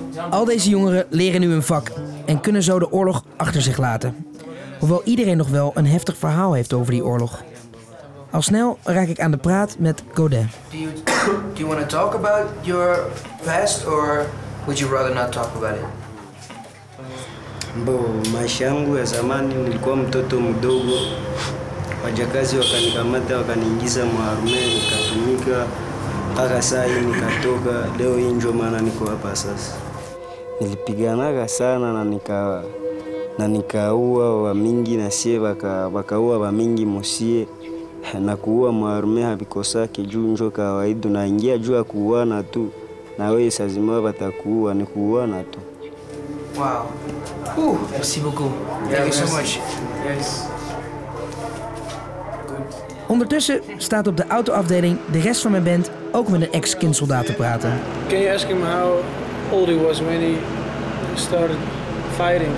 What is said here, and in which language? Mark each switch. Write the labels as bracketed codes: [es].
[nl] Al deze jongeren leren nu een vak en kunnen zo de oorlog achter zich laten. Hoewel iedereen nog wel een heftig verhaal heeft over die oorlog. Al snel raak ik aan de praat met Godin. [en] Do you want to talk about your past or would you rather not talk about it? [sw] Bo, maisha yangu ya zamani nilikuwa mtoto mdogo. Wajakazi wakanikamata wakaniingiza mwarume nikatumika. Paka saa hii nikatoka, leo hii njo maana niko hapa sasa. Nilipiganaga sana na nikaua wa mingi na sie wakaua wa mingi musie. Na kuua mwarume havikosake juu njo kawaidu na ingia juu kuuana tu. Na wewe sazimua watakuua ni kuuana tu. [en] Wow. [fr] Merci beaucoup. [en] Thank you so much. Yes. [nl] Ondertussen staat op de autoafdeling de rest van mijn band ook met een ex-kindsoldaat te praten. [en] Can you ask him how old he was when he started fighting?